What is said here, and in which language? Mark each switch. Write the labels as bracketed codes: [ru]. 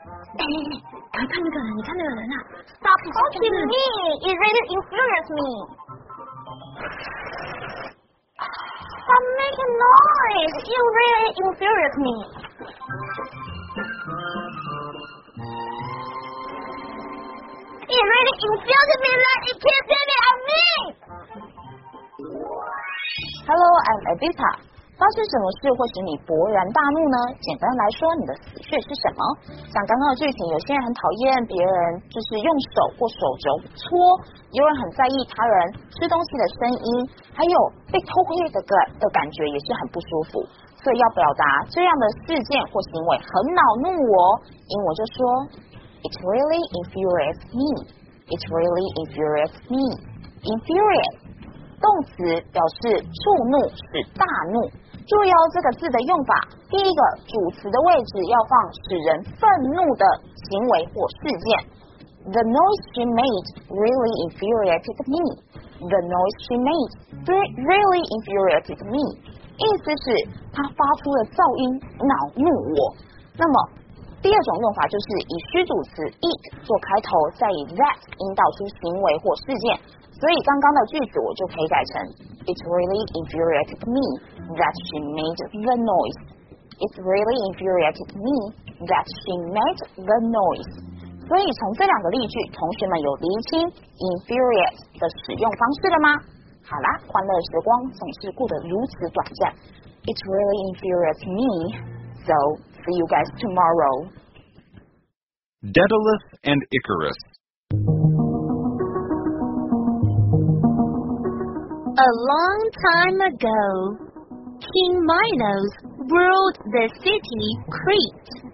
[zh] 哎，你看那个人，你看那个人啊 [en] ！Stop talking to me! It really infuriates me. Stop making noise! It really infuriates me. It really infuriates me that it keeps getting at me. Hello, I'm Evita. [zh] 发生什么事会使你勃然大怒呢？简单来说，你的死穴是什么？像刚刚的剧情，有些人很讨厌别人就是用手或手肘搓，有人很在意他人吃东西的声音，还有被偷窥的感觉也是很不舒服。所以要表达这样的事件或行为很恼怒我，英文就说 [en] It really infuriates me. It really infuriates me. [zh] Infuriate. 动词表示触怒，使大怒。注意哦，这个字的用法，第一个主词的位置要放使人愤怒的行为或事件。 [en] The noise she made really infuriated me. The noise she made really infuriated me. [zh] 意思是她发出的噪音恼怒我。那么第二种用法就是以虚主词 it 做开头，再以 that 引导出行为或事件。所以刚刚的句子我就可以改成 [en] It really infuriated me that she made the noise. It really infuriated me that she made the noise. [zh] 所以从这两个例句，同学们有厘清 infuriate 的使用方式了吗？好啦，欢乐时光总是过得如此短暂。 [en] It really infuriates me. So, see you guys tomorrow. Daedalus and Icarus. A long time ago, King Minos ruled the city Crete.